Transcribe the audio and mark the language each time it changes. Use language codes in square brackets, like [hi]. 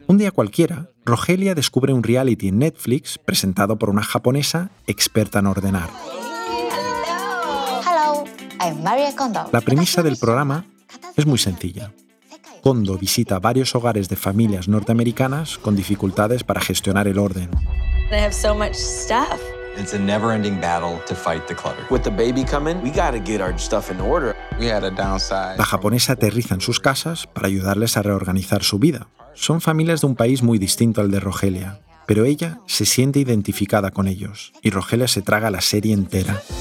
[es] Un día cualquiera, Rogelia descubre un reality en Netflix presentado por una japonesa experta en ordenar. La premisa del programa es muy sencilla. Kondo visita varios hogares de familias norteamericanas con dificultades para gestionar el orden. [en] They have so much stuff. It's a never-ending battle to fight the clutter. With the baby coming, we got to get our stuff in order. We had a downside. [es] La japonesa aterriza en sus casas para ayudarles a reorganizar su vida. Son familias de un país muy distinto al de Rogelia, pero ella se siente identificada con ellos y Rogelia se traga la serie entera.